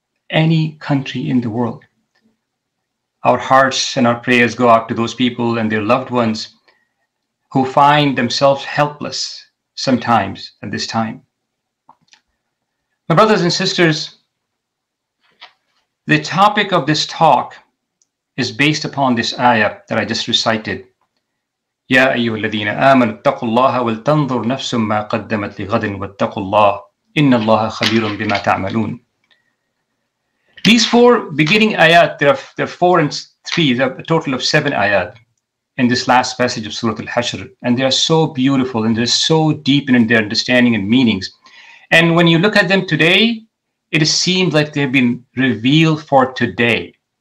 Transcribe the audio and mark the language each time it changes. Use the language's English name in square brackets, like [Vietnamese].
[English] Any country in the world. Our hearts and our prayers go out to those people and their loved ones who find themselves helpless sometimes at this time. My brothers and sisters, the topic of this talk is based upon this ayah that I just recited. [Arabic] يا أيها الذين آمنوا اتقوا الله ولتنظر نفس ما قدمت لغد واتقوا الله إن الله خبير بما تعملون. [English] These four beginning ayat, there are four and three, a total of seven ayat in this last passage of Surah Al-Hashr, and they are so beautiful and they're so deep in their understanding and meanings. And when you look at them today, it seems like they've been revealed for today.